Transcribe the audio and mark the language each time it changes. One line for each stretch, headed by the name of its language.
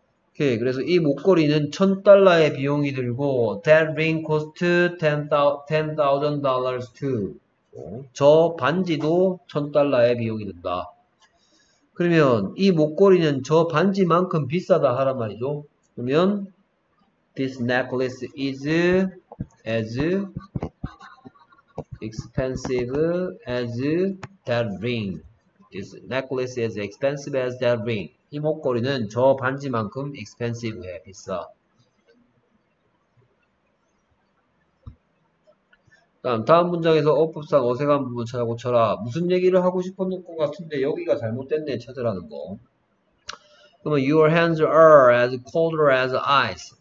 Korean: 오케이. 그래서 이 목걸이는 $1,000의 비용이 들고
English: that ring cost $10,000 too.
Korean: 저 반지도 $1,000의 비용이 든다. 그러면 이 목걸이는 저 반지만큼 비싸다 하란 말이죠. 그러면
English: this necklace is as expensive as that ring. This necklace is expensive as that ring.
Korean: 이 목걸이는 저 반지만큼 expensive해, 비싸. 다음 문장에서 어법상 어색한 부분 찾아고쳐라. 무슨 얘기를 하고 싶었는 것 같은데 여기가 잘못됐네 찾으라는 거. 그러면
English: your hands are as cold as ice.